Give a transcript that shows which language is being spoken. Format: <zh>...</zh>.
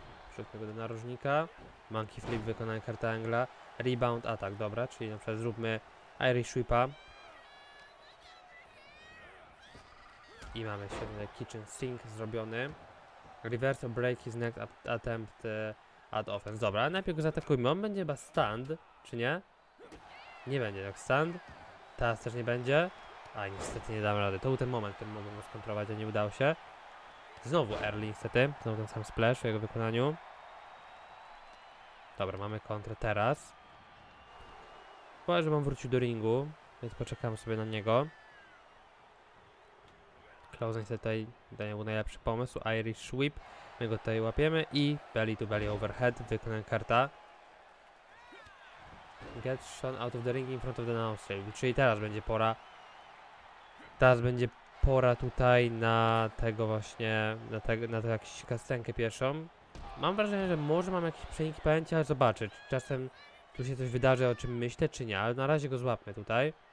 <pl>Przykłady narożnika. Monkey flip wykonanie Kurta Angle'a. Rebound atak, dobra, czyli na przykład zróbmy Irish Whip'a. I mamy świetny kitchen sink zrobiony.</pl> <en>Reversal break his next attempt at offense.</en> <pl>Dobra, najpierw go zaatakujmy. On będzie chyba stunned, czy nie? Nie będzie tak stunned. Teraz też nie będzie. A niestety nie dam rady. To był ten moment, w którym mogłem go skontrować, a nie udało się. Znowu early niestety. Znowu ten sam splash w jego wykonaniu. Dobra, mamy kontrę teraz. Chyba, żebym wrócił do ringu, więc poczekam sobie na niego. Klaus niestety tutaj daje mu najlepszy pomysł. Irish Whip. My go tutaj łapiemy i</pl> <en>belly to belly overhead.</en> <pl>Wykonałem Kurta.</pl> <en>Get Shawn out of the ring in front of the announce table.</en> <pl>Czyli teraz będzie pora. Teraz będzie pora tutaj na tego właśnie, na jakąś kascenkę pierwszą. Mam wrażenie, że może mam jakieś przeniki pamięci, ale zobaczę. Czasem tu się coś wydarzy, o czym myślę, czy nie, ale na razie go złapmy tutaj.</pl>